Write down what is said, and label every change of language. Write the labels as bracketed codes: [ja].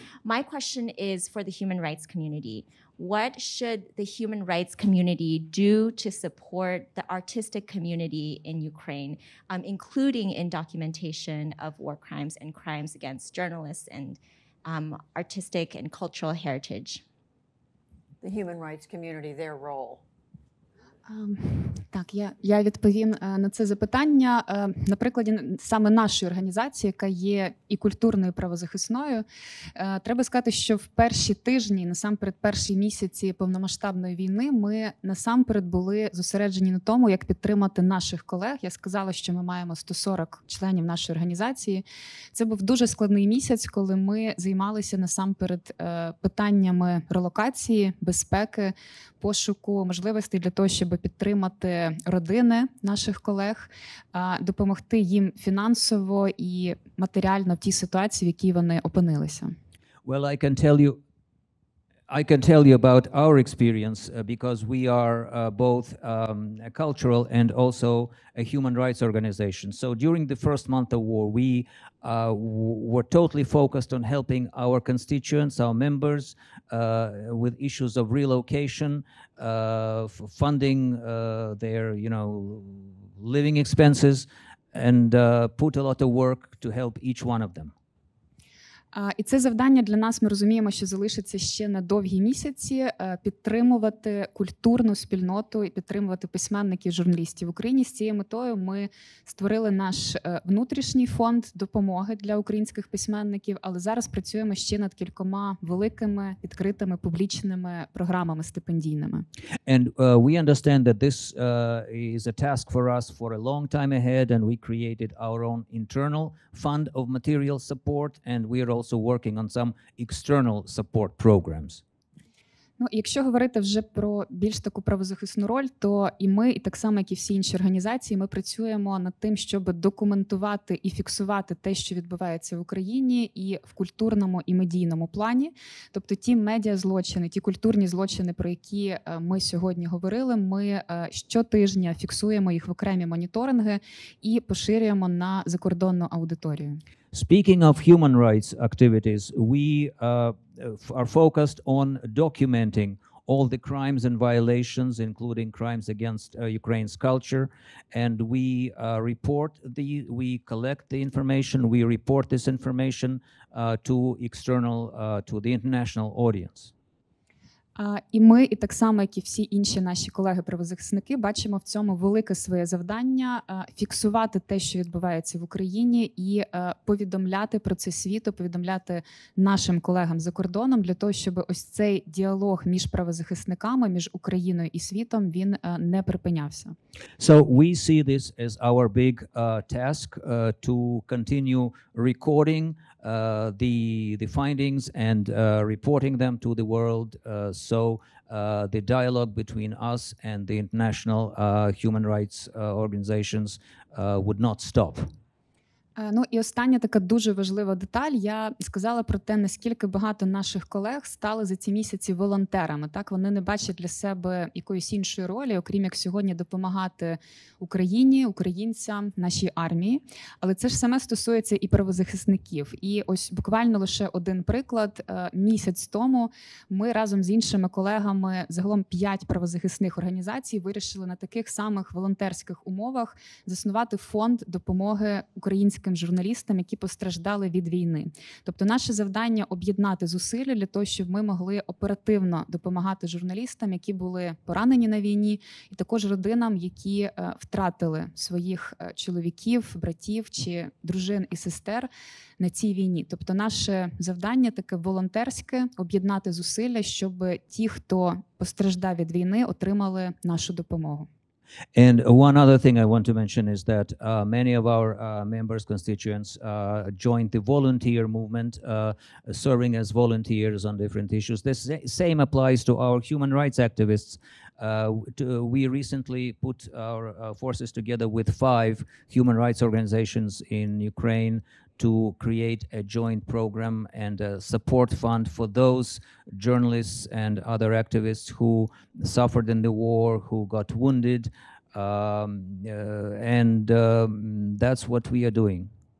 [en] My question is for the human rights community. What should the human rights community do to support the artistic community in Ukraine, including in documentation of war crimes and crimes against journalists and artistic and cultural heritage? the human rights community, their role? [uk] Так, я відповім на це запитання на прикладі саме нашої організації, яка є і культурною, і правозахисною. Треба сказати, що в перші тижні, насамперед перші місяці повномасштабної війни, ми насамперед були зосереджені на тому, як підтримати наших колег. Я сказала, що ми маємо 140 членів нашої організації. Це був дуже складний місяць, коли ми займалися насамперед питаннями релокації, безпеки, пошуку можливостей для того, щоб підтримати родини наших колег, допомогти їм фінансово і матеріально в тій ситуації, в якій вони опинилися. [en] Well, I can tell you about our experience because we are both a cultural and also a human rights organization. So during the first month of war, we were totally focused on helping our constituents, our members, with issues of relocation, funding their, you know, living expenses, and put a lot of work to help each one of them. [uk] І це завдання для нас, ми розуміємо, що залишиться ще на довгі місяці, підтримувати культурну спільноту і підтримувати письменників, журналістів в Україні. З цією метою ми створили наш внутрішній фонд допомоги для українських письменників, але зараз працюємо ще над кількома великими, відкритими, публічними програмами стипендійними. [en] And we understand that this is a task for us for a long time ahead, and we created our own internal fund of material support, and we are also working on some external support programs. [uk] Ну, якщо говорити вже про більш таку правозахисну роль, то і ми, і так само, як і всі інші організації, ми працюємо над тим, щоб документувати і фіксувати те, що відбувається в Україні і в культурному, і медійному плані. Тобто ті медіазлочини, ті культурні злочини, про які ми сьогодні говорили, ми щотижня фіксуємо їх в окремі моніторинги і поширюємо на закордонну аудиторію. [en] Speaking of human rights activities, we are focused on documenting all the crimes and violations, including crimes against Ukraine's culture, and we report the, we collect the information, we report this information to external, to the international audience. [uk] І ми, і так само, як і всі інші наші колеги-правозахисники, бачимо в цьому велике своє завдання фіксувати те, що відбувається в Україні, і повідомляти про це світу, повідомляти нашим колегам за кордоном для того, щоб ось цей діалог між правозахисниками, між Україною і світом, він не припинявся. [en] So we see this as our big task to continue recording the findings and reporting them to the world, so the dialogue between us and the international human rights organizations would not stop. [uk] Ну і остання така дуже важлива деталь. Я сказала про те, наскільки багато наших колег стали за ці місяці волонтерами. Так, вони не бачать для себе якоїсь іншої ролі, окрім як сьогодні допомагати Україні, українцям, нашій армії. Але це ж саме стосується і правозахисників. І ось буквально лише один приклад. Місяць тому ми разом з іншими колегами, загалом 5 правозахисних організацій, вирішили на таких самих волонтерських умовах заснувати фонд допомоги українським журналістам, які постраждали від війни. Тобто наше завдання – об'єднати зусилля для того, щоб ми могли оперативно допомагати журналістам, які були поранені на війні, і також родинам, які втратили своїх чоловіків, братів чи дружин і сестер на цій війні. Тобто наше завдання таке волонтерське – об'єднати зусилля, щоб ті, хто постраждав від війни, отримали нашу допомогу. [en] And one other thing I want to mention is that many of our members, constituents, joined the volunteer movement, serving as volunteers on different issues. This same applies to our human rights activists. We recently put our forces together with 5 human rights organizations in Ukraine to create a joint program and a support fund for those journalists and other activists who suffered in the war, who got wounded, that's what we are doing.